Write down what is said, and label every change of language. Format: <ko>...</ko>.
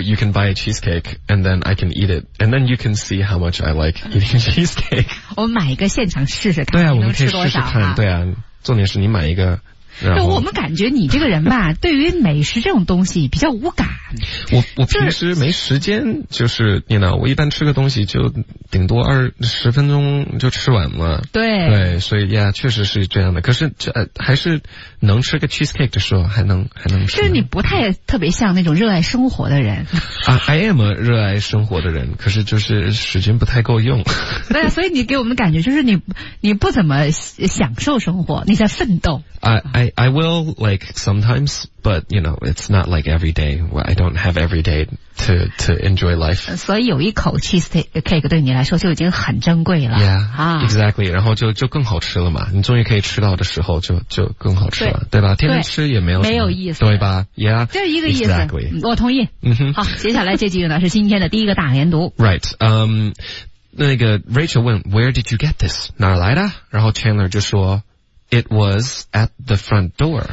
<en>You can buy a cheesecake and then I can eat it. And then you can see how much I like eating cheesecake.</en> <zh>我们买一个现场试试看。对啊，我们可以试试看。对啊，重点是你买一个。就我们感觉你这个人吧，对于美食这种东西比较无感。我平时没时间，就是你知道，我一般吃个东西就顶多二十分钟就吃完了。对，对，所以呀，确实是这样的。可是这、还是能吃个 cheesecake 的时候，还能吃。就是你不太特别像那种热爱生活的人。啊，</zh> <en>I am</en> <zh>热爱生活的人，可是就是时间不太够用。对，所以你给我们感觉就是你不怎么享受生活，你在奋斗。</zh> <en>I will like sometimes, but you know, it's not like every day. I don't have every day to enjoy life.</en> <zh>所以有一口 cheesecake 对你来说就已经很珍贵了。</zh> <en>Yeah, exactly.</en> <zh>然后就更好吃了嘛。你终于可以吃到的时候就更好吃了。对吧，天天吃也没有意思。对吧 ?</zh> <en>Yeah.</en> <zh>这是一个意思。</zh> <en>Exactly.</en> <zh>我同意。好，接下来这几个呢是今天的第一个大连读。</zh> <en>Right.</en> <zh>那个</zh> <en>Rachel</en> <zh>问</zh> <en>,Where did you get this?</en> <zh>哪来的？然后</zh> <en>Chandler</en> <zh>就说</zh> <en>,It was at the front door.</en>